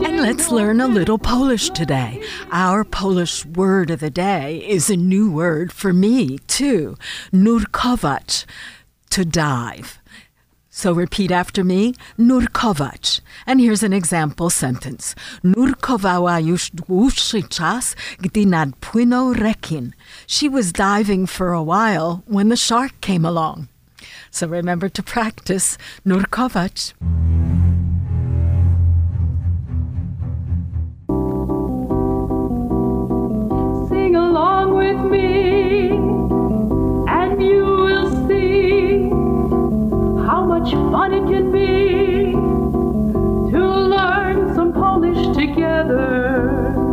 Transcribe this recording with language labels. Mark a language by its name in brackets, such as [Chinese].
[English] And let's learn a little Polish today. Our Polish word of the day is a new word for me, too. Nurkować, to dive. So repeat after me, nurkować. And here's an example sentence. [Polish] Nurkowała już dłuższy czas, gdy nadpłynął rekin. [English] She was diving for a while when the shark came along. So remember to practice nurkować. Sing along with me, and you will see how much fun it can be to learn some Polish together.